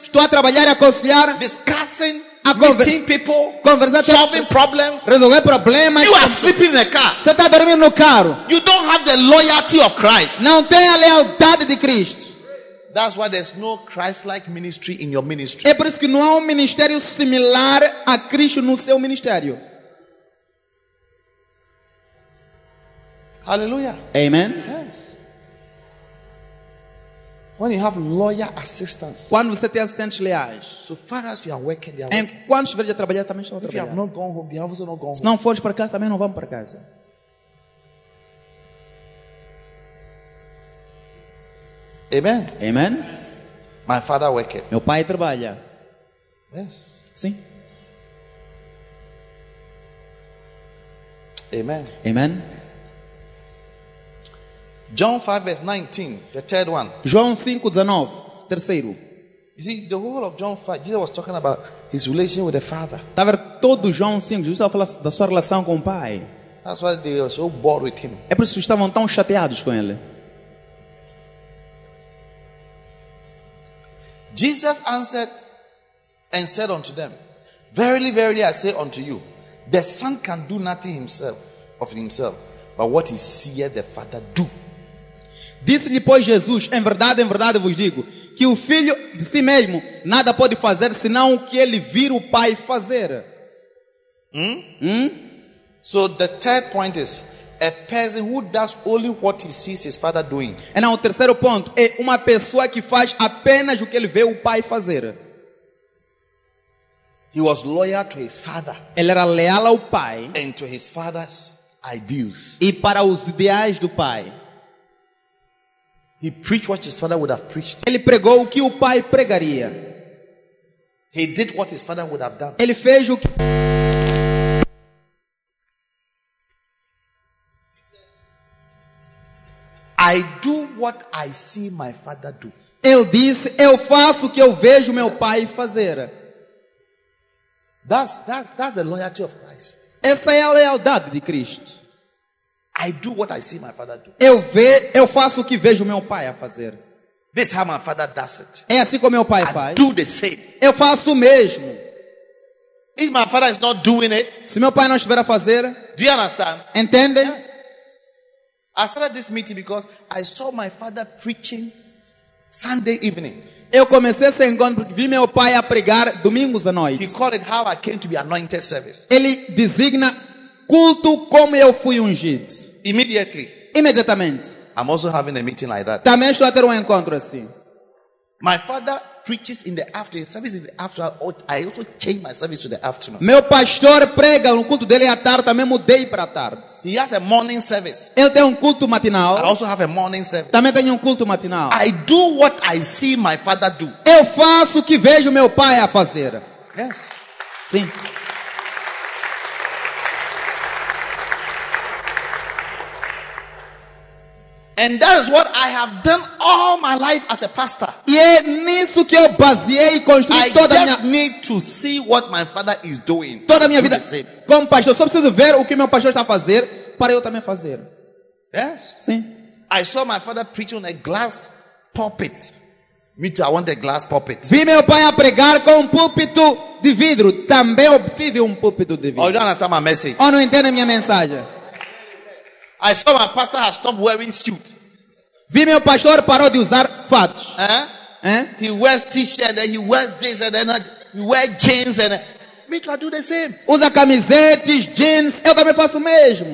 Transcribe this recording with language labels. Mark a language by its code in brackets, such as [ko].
[pt] Estou a trabalhar, a aconselhar. [en] Discussing. A meeting people. [pt] Conversar. [en] Solving problems. [pt] Resolver problemas. [en] You are sleeping in the car. [pt] Você está a dormir no carro. [en] You don't have the loyalty of Christ. [pt] Não tem a lealdade de Cristo. [en] That's why there's no Christ-like ministry in your ministry. [pt] É por isso que não há ministério similar a Cristo no seu ministério. Hallelujah. Amen. [en] Yes. When you have loyal assistants. [pt] Quando você tem assistentes leais. [en] So far as you are working, they are working. [pt] Enquanto estiver a trabalhar, também estão a trabalhar. [en] If you have not gone home, they have also not gone home. [pt] Se não fores para casa, também não vão para casa. Amen. Amen. [en] My father worked. [pt] Meu pai trabalha. [en] Yes. [pt] Sim. Amen. Amen. [en] John 5 verse 19, the third one. [pt] João 5, 19, terceiro. [en] You see, the whole of John 5, Jesus was talking about his relationship with the Father. [pt] Tá vendo todo João 5, Jesus estava falando da sua relação com o pai. [en] That's why they were so bored with him. [pt] É por isso que estavam tão chateados com ele. [en] Jesus answered and said unto them, Verily, verily, I say unto you, the Son can do nothing himself of himself, but what he seeth the Father do. [pt] Disse-lhe, pois, Jesus, em verdade vos digo, que o Filho de si mesmo nada pode fazer, senão o que ele vir o Pai fazer. [en] So the third point is, a person who does only what he sees his father doing. [pt] E não, o terceiro ponto é uma pessoa que faz apenas o que ele vê o pai fazer. [en] He was loyal to his father. [pt] Ele era leal ao pai. [en] And to his father's ideals. [pt] E para os ideais do pai. [en] He preached what his father would have preached. [pt] Ele pregou o que o pai pregaria. [en] He did what his father would have done. [pt] Ele fez o que... [en] I do what I see my father do. [pt] Ele disse, eu faço o que eu vejo meu pai fazer. [en] That's the loyalty of Christ. [pt] Essa é a lealdade de Cristo. [en] I do what I see my father do. [pt] Eu faço o que vejo meu pai a fazer. [en] This is how my father does it. [pt] É assim como meu pai [en] I [pt] faz. [en] Do the same. [pt] Eu faço o mesmo. [en] If my father is not doing it, [pt] se meu pai não estiver a fazer, [en] do you understand? [pt] Entende? Yeah. [en] I started this meeting because I saw my father preaching Sunday evening. [pt] Eu comecei esse encontro porque vi meu pai a pregar domingos à noite. [en] He called it how I came to be anointed service. [pt] Ele designa culto como eu fui ungido. [en] Immediately. [pt] Imediatamente. [en] I'm also having a meeting like that. [pt] Também estou a ter um encontro assim. [en] My father preaches in the afternoon, service in the afternoon. I also change my service to the afternoon. [pt] Meu pastor prega no culto dele à tarde, também mudei para tarde. [en] He has a morning service. [pt] Ele tem culto matinal. [en] I also have a morning service. [pt] Também tenho culto matinal. [en] I do what I see my father do. [pt] Eu faço o que vejo meu pai a fazer. [en] Yes. [pt] Sim. [en] And that is what I have done all my life as a pastor. [pt] E é nisso que eu baseei e construí toda a minha. [en] I just need to see what my father is doing. [pt] Toda a minha vida. Como pastor, só preciso ver o que meu pastor está fazendo para eu também fazer. [en] Yes. [pt] Sim. [en] I saw my father preaching on a glass pulpit. Me too. I want a glass pulpit. [pt] Vi meu pai a pregar com púlpito de vidro. Também obtive púlpito de vidro. [en] Oh, you don't understand my message. [pt] Oh, não entende minha mensagem. [en] I saw my pastor has stopped wearing suit. [pt] Vi meu pastor parou de usar fato. [en] He wears t-shirt and he wears this and then he wears jeans and me too, I do the same. [pt] Usa camisetas, jeans, eu também faço o mesmo.